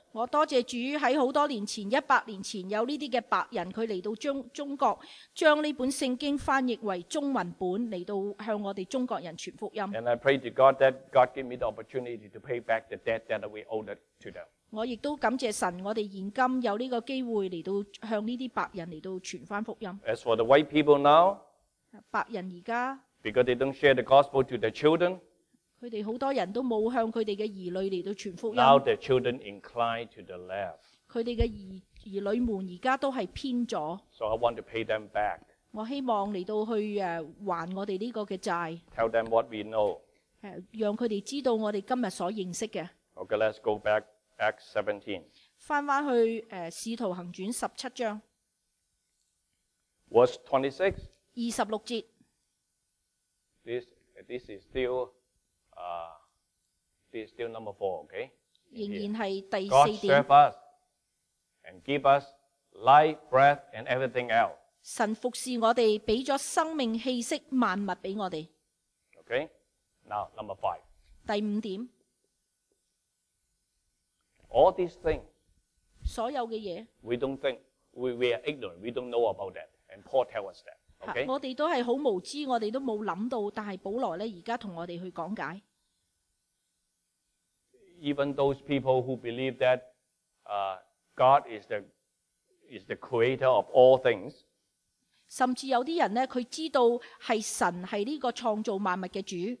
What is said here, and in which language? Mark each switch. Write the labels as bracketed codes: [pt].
[zh] 我多谢主在很多年前，100年前有这些白人，他来到中国，将这本圣经翻译为中文本，来到向我们中国人传福音。 [en] And I pray to God that God give me the opportunity to pay back the debt that we owe to them. [zh] 我也都感谢神，我们现今有这个机会来到向这些白人来到传翻福音。 [en] As for the white people now, [zh] 白人现在 [en] because they don't share the gospel to their children, [zh] 他们很多人都没有向他们的儿女来传福音。 [en] Now the children incline to the left. [zh] 他们的儿女们现在都是偏左。 [en] So I want to pay them back. [zh] 我希望来到去还我们这个债。 [en] Tell them what we know. [zh] 让他们知道我们今天所认识的。 [en] Okay, let's go back Acts 17. [zh] 翻回去使徒行传十七章。 [en] Verse 26. [zh] 二十六节。 [en] This is still... this is still number four, okay? [zh] 仍然是第四点。 [en] God serve us and give us life, breath, and everything else. [zh] 神服侍我们，给了生命、气息、万物给我们。 [en] Okay? Now, number five. [zh] 第五点。 [en] All these things, [zh] 所有的事, [en] we don't think, we are ignorant, we don't know about that. And Paul tells us that. Okay. [zh] 我们都是很无知，我们都没有想到，但是保罗现在跟我们去讲解。 [en] Even those people who believe that God is the creator of all things, [zh] 甚至有些人呢，他知道是神是这个创造万物的主。